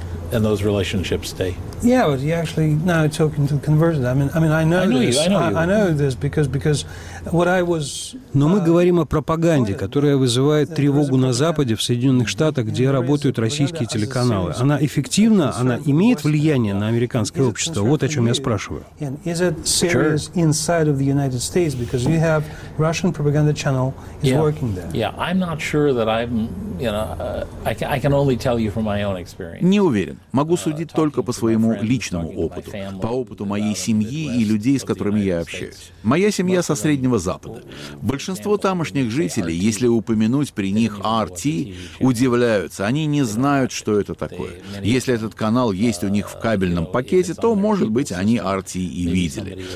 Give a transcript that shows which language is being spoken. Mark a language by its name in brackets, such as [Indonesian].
[English] And those relationships stay. Yeah, but you actually now talking to the converted. I know this because what I was. [Russian] Но мы говорим о пропаганде, которая вызывает тревогу на Западе, в Соединенных Штатах, где работают российские телеканалы. Она эффективна? Она имеет влияние на американское общество? Вот о чем я спрашиваю. [English] And is it serious inside of the United States because you have Russian propaganda channel is working there? Yeah, I'm not sure that I'm. I can only tell you from my own experience. [Russian] Не уверен. Могу судить только по своему личному опыту, по опыту моей семьи и людей, с которыми я общаюсь. Моя семья со Среднего Запада. Большинство тамошних жителей, если упомянуть при них RT, удивляются. Они не знают, что это такое. Если этот канал есть у них в кабельном пакете, то, может быть, они RT и видели.